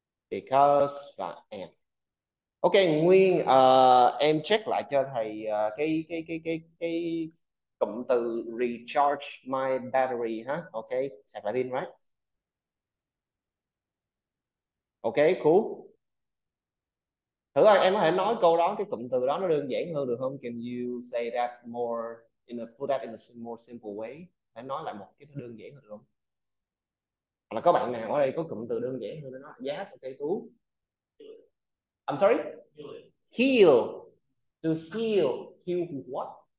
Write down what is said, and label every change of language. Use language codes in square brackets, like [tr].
[vi] Because và and. Ok Nguyên, em check lại cho thầy cái cụm từ [en] recharge my battery [vi] ha. Ok, sạc lại pin right. [en] Ok, cool. [vi] Thử ơi, em có thể nói câu đó, cái cụm từ đó nó đơn giản hơn được không? [en] Can you say that more in a put that in a more simple way? [vi] Hãy nói lại một cái đơn giản hơn được không? Hoặc là có bạn nào ở đây có cụm từ đơn giản hơn để nói [en] yes, ok, cool. I'm sorry. Heal. To heal. Heal what?